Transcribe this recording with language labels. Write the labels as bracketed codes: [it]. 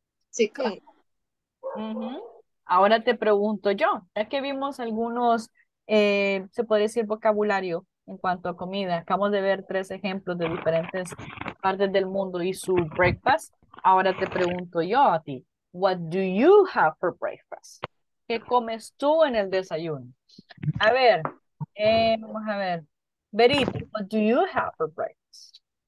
[es] sí. Ahora te pregunto yo, ya que vimos algunos, se puede decir, vocabulario en cuanto a comida. Acabamos de ver tres ejemplos de diferentes partes del mundo y su breakfast. Ahora te pregunto yo a ti. [en] What do you have for breakfast? [es] ¿Qué comes tú en el desayuno? A ver, vamos a ver. [en] Berito, what do you have for breakfast?